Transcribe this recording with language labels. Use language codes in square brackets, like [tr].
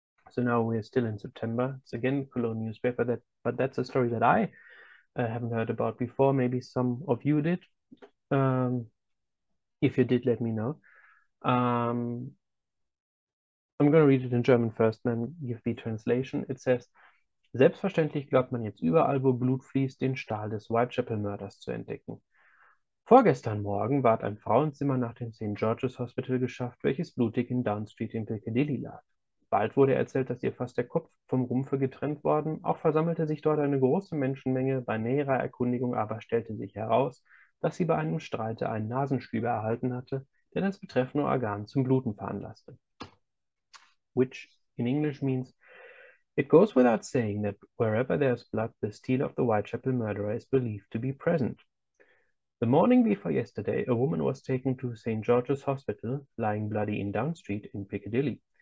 [en] So now we're still in September. It's again Cologne newspaper, but that's a story that I haven't heard about before. Maybe some of you did. If you did, let me know. I'm going to read it in German first, then give the translation. It says, [de] Selbstverständlich glaubt man jetzt überall, wo Blut fließt, den Stahl des Whitechapel-Mörders zu entdecken. Vorgestern Morgen ward ein Frauenzimmer nach dem St. George's Hospital geschafft, welches blutig in Down Street in Piccadilly lag. Bald wurde erzählt, dass ihr fast der Kopf vom Rumpfe getrennt worden. Auch versammelte sich dort eine große Menschenmenge. Bei näherer Erkundigung aber stellte sich heraus, dass sie bei einem Streite einen Nasenstüber erhalten hatte, der das betreffende Organ zum Bluten veranlasste. [en] Which in English means, It goes without saying that wherever there's blood, the steel of the Whitechapel murderer is believed to be present. The morning before yesterday, a woman was taken to St. George's Hospital, lying bloody in Down Street in Piccadilly.